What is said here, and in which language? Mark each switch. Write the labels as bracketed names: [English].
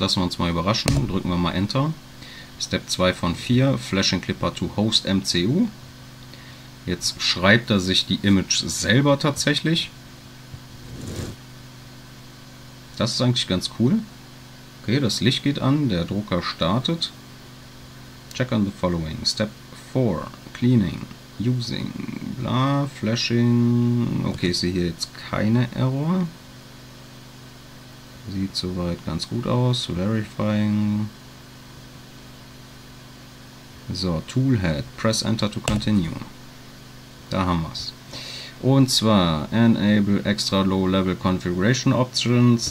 [German] Lassen wir uns mal überraschen. Drücken wir mal Enter. Step 2 von 4, [English] Flash and Clipper to Host MCU. [German] Jetzt schreibt er sich die Image selber tatsächlich. Das ist eigentlich ganz cool. Okay, das Licht geht an, der Drucker startet. [English] Check on the following. Step 4, Cleaning, Using, bla, Flashing. [German] Okay, ich sehe hier jetzt keine Error. Sieht soweit ganz gut aus. [English] Verifying. So, Toolhead, press Enter to continue. [German] Da haben wir's. Und zwar [English] Enable Extra Low Level Configuration Options.